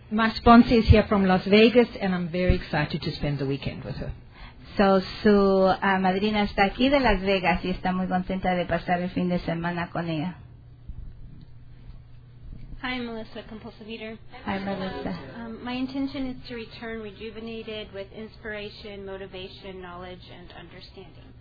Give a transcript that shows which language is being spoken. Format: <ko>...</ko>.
<en>My sponsor is here from Las Vegas, and I'm very excited to spend the weekend with her.</en> <es>So su madrina está aquí de Las Vegas y está muy contenta de pasar el fin de semana con ella.</es> <en>Hi, I'm Melissa, compulsive eater. Hi, Melissa. My intention is to return rejuvenated with inspiration, motivation, knowledge, and understanding.</en>